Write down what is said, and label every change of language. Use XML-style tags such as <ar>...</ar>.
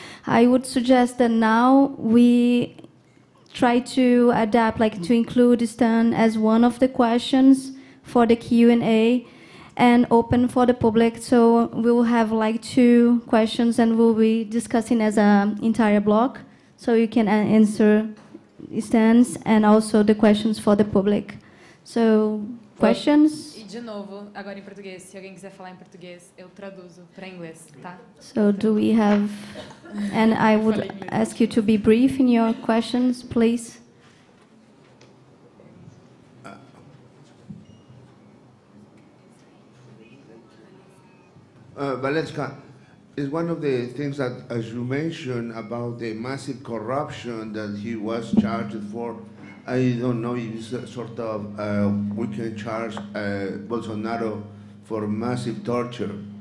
<en>I would suggest that now we try to adapt, like to include Stan as one of the questions for the Q&A and open for the public. So we'll have like two questions and we'll be discussing as an entire block. So you can answer Stan's and also the questions for the public. So questions?</en> <pt>E de novo, agora em português. Se alguém quiser falar em português, eu traduzo para inglês, tá?</pt> <en>So do we have... And I would ask you to be brief in your questions, please. Valeska, is one of the things that, as you mentioned, about the massive corruption that he was charged for, I don't know if it's a sort of we can charge Bolsonaro for massive torture.</en>